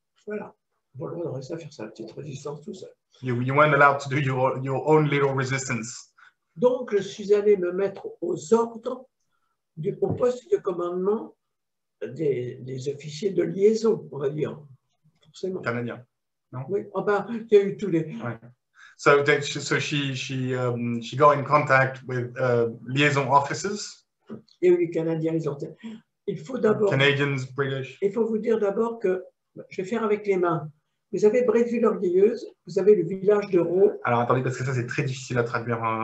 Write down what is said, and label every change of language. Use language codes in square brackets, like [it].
[fr] Voilà, bon, on aurait ça faire sa petite résistance tout seul. [en] You weren't allowed to do your own little resistance. [fr] Donc, je suis allé me mettre aux ordres au poste de commandement des officiers de liaison, on va dire, forcément. Canadien. No. Oui, oh, bah, y a eu tous les... [en] Right. So she got in contact with liaison officers. [fr] Et oui, Canadiens, ils ont... Il faut d'abord. [en] Canadians, British. [fr] Il faut vous dire d'abord que je vais faire avec les mains. Vous avez Bretteville-Orgueilleuse, vous avez le village de Roux. Alors attendez, parce que ça c'est très difficile à traduire.